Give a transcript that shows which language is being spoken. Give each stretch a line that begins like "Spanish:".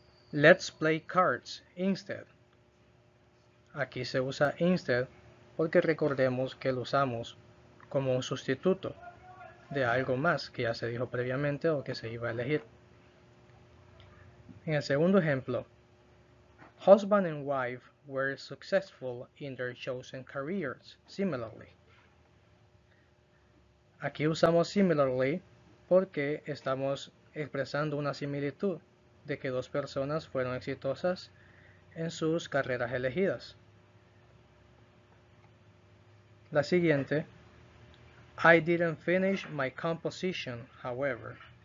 English: Let's play cards instead.
Spanish: Aquí se usa instead porque recordemos que lo usamos como un sustituto de algo más que ya se dijo previamente o que se iba a elegir. En el segundo ejemplo,
English: husband and wife were successful in their chosen careers, similarly.
Spanish: Aquí usamos similarly porque estamos expresando una similitud de que dos personas fueron exitosas en sus carreras elegidas. La siguiente,
English: I didn't finish my composition, however.